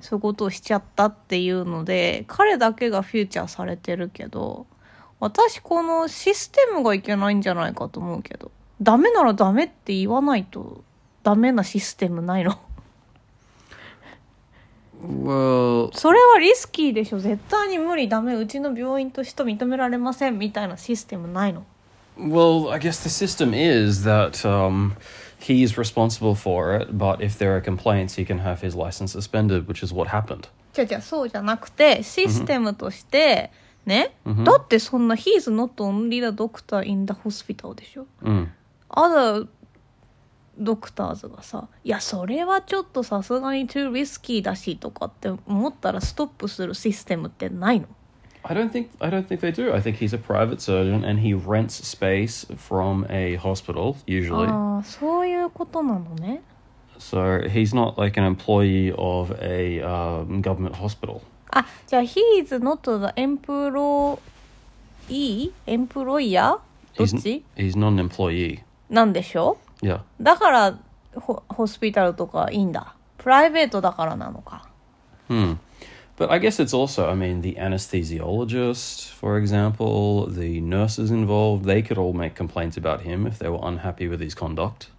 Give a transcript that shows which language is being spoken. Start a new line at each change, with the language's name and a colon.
Japanese: そういうことをしちゃったっていうので彼だけがフューチャーされてるけど私このシステムがいけないんじゃないかと思うけどダメならダメって言わないとダメなシステムないの
English: well...
Japanese: それはリスキーでしょ絶対に無理ダメうちの病院として認められませんみたいなシステムないの
English: Well, I guess the system is that he's responsible for it, but if there are complaints, he can have his license suspended, which is what happened.
Japanese: そうじゃなくて、システムとして、mm-hmm. ね、mm-hmm. だってそんな、
English: he's not only the doctor in the hospital
Japanese: でしょ。 Other doctors がさ、いや、それはちょっとさすがに
English: too risky
Japanese: だしとかって思ったらストップするシステムってないの?
English: I don't think they do. I think he's a private surgeon and he rents space from a hospital, usually.
Japanese: Ah, そういうことなのね。
English: So he's not like an employee of a government hospital. Ah,
Japanese: じゃあ
English: he is not the employee? Employer?
Japanese: どっち?
English: He's not an employee.
Japanese: なんでしょう?
English: Yeah.
Japanese: だからホスピタルとかいいんだ。プライベートだからなのか。
English: But I guess it's also, I mean, the anesthesiologist, for example, the nurses involved, they could all make complaints about him if they were unhappy with his conduct.